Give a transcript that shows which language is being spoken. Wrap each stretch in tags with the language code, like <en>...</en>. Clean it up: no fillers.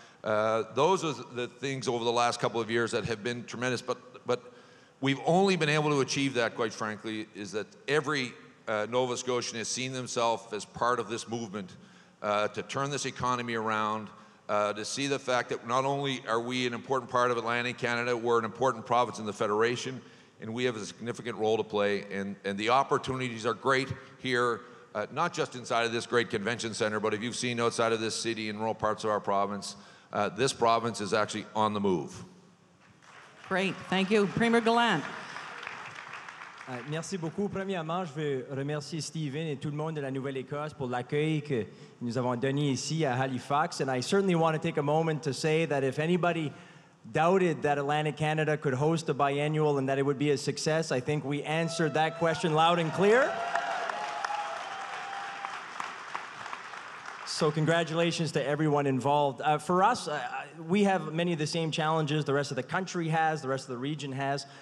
<en>Those are the things over the last couple of years that have been tremendous, but we've only been able to achieve that, quite frankly, is that every Nova Scotian has seen themselves as part of this movement to turn this economy around, to see the fact that not only are we an important part of Atlantic Canada, we're an important province in the Federation, and we have a significant role to play, and the opportunities are great here, not just inside of this great convention center, but if you've seen outside of this city and rural parts of our province, this province is actually on the move. Great, thank you. Premier Gallant.</en> <fr>Merci beaucoup. Premièrement, je veux remercier Stephen et tout le monde de la Nouvelle-Écosse pour l'accueil que nous avons donné ici à Halifax.</fr> <en>And I certainly want to take a moment to say that if anybody doubted that Atlantic Canada could host a biennial and that it would be a success, I think we answered that question loud and clear. So congratulations to everyone involved. For us, we have many of the same challenges the rest of the country has, the rest of the region has.</en>